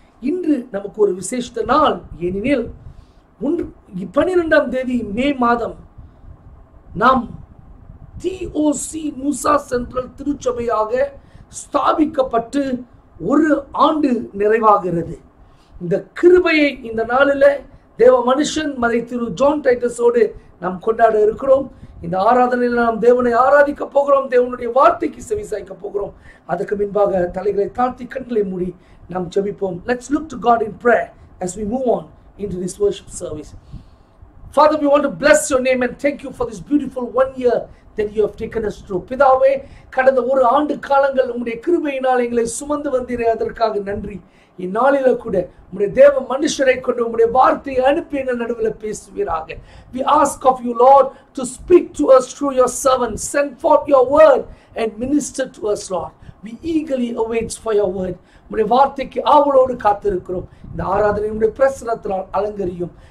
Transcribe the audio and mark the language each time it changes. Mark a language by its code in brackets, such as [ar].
[ta] Indru Namakku Oru Visheshta Naal, Yeninil, 12th Thethi May Maadham, Nam TOC Nusa Central திருச்சபையாக ஸ்தாபிக்கப்பட்டு ஒரு ஆண்டு நிறைவாகிறது. இந்த கிருபையை இந்த நாளில் தேவ மனுஷன் மறை திரு ஜான் டைட்டஸோடு நாம் கொண்டாட இருக்கிறோம். இந்த ஆராதனையில் நாம் தேவனை ஆராதிக்கப் போகிறோம், தேவனுடைய வார்த்தைக்கு செவிசாய்க்கப் போகிறோம். அதற்கு முன்பாக தலைகளை தாழ்த்தி கண்களை மூடி நாம் ஜெபிப்போம். [en] Let's look to God in prayer as we move on into this worship service. Father, we want to bless your name and thank you for this beautiful 1 year that you have taken us through. [ta] பிதாவே, கடந்த ஒரு ஆண்டு காலங்கள் உம்முடைய கிருபையினால் எங்களை சுமந்து வந்தீரே, அதற்காக நன்றி. இந்நாளில கூட உம்முடைய தேவ மனுஷரை கொண்டு உம்முடைய வார்த்தையை அனுப்பி எங்கள் நடுவில் பேசுவீராக. [en] We ask of you, Lord, to speak to us through your servant. Send forth your word and minister to us, Lord. We eagerly await for your word. [ta] உம்முடைய வார்த்தைக்கு ஆவலோடு காத்திருக்கிறோம். இந்த ஆராதனை உம்முடைய பிரசன்னத்தினால் அலங்கரியும்.